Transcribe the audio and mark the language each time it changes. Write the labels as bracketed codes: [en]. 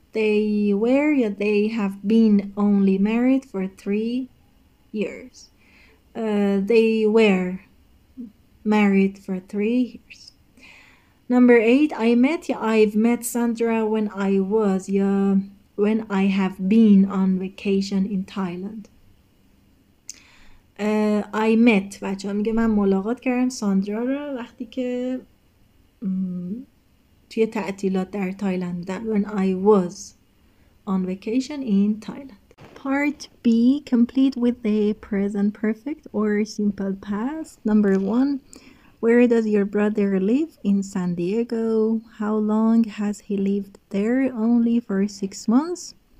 [en] They were, yeah, they have been only married for 3 years. They were married for 3 years. Number 8. I met, yeah, I've met Sandra when I was, yeah, when I have been on vacation in Thailand. I met [fa] بچه ها میگه من ملاقات کردم ساندرا رو وقتی که توی تعطیلات در تایلند بودم. [en] When I was on vacation in Thailand. Part B, complete with the present perfect or simple past. Number 1. Where does your brother live? In San Diego. How long has he lived there? Only for 6 months.